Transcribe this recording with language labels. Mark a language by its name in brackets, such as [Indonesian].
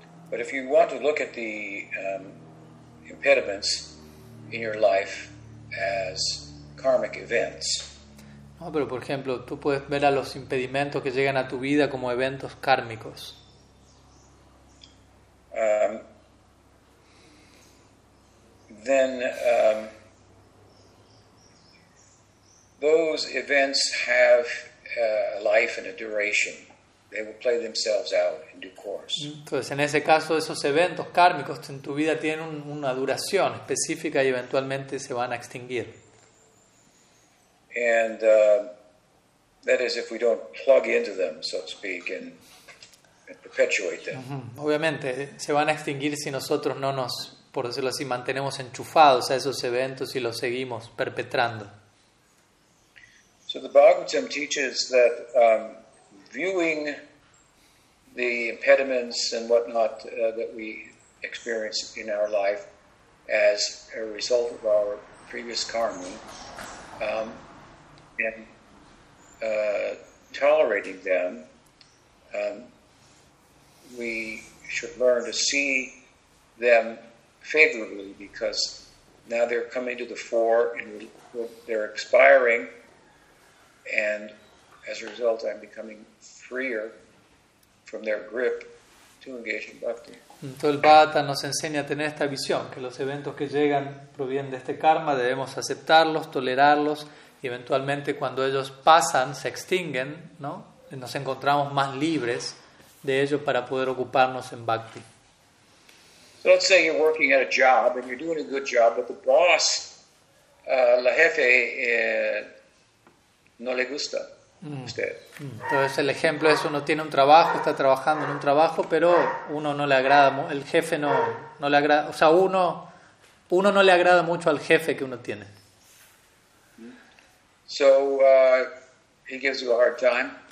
[English] But if you want to look at the impediments in your life as karmic events. [Spanish] No, pero por ejemplo, tú puedes ver a los impedimentos que llegan a tu vida como eventos kármicos. [English] then those events have life and a duration. They will play themselves out in due course. [Spanish] Entonces, en ese caso, esos eventos kármicos en tu vida tienen una duración específica y eventualmente se van a extinguir. [English] And that is if we don't plug into them, so to speak, and perpetuate them. [Spanish] Obviamente, se van a extinguir si nosotros no nos, por decirlo así, mantenemos enchufados a esos eventos y los seguimos perpetrando. [English] So the Bhagavatam teaches that viewing the impediments and whatnot that we experience in our life as a result of our previous karma, and tolerating them, we should learn to see them favorably, because now they're coming to the fore and they're expiring, and as a result, I'm becoming freer from their grip to engage in bhakti. [Spanish] Entonces el Bhagavata nos enseña a tener esta visión, que los eventos que llegan provienen de este karma, debemos aceptarlos, tolerarlos, y eventualmente cuando ellos pasan, se extinguen, ¿no? Nos encontramos más libres de ellos para poder ocuparnos en bhakti. [English] So let's say you're working at a job, and you're doing a good job, but the boss, [Spanish] la jefe, no le gusta. Entonces el ejemplo es, uno tiene un trabajo, está trabajando en un trabajo, pero uno no le agrada, el jefe no le agrada, o sea, uno no le agrada mucho al jefe que uno tiene. [English] So he gives you a hard time.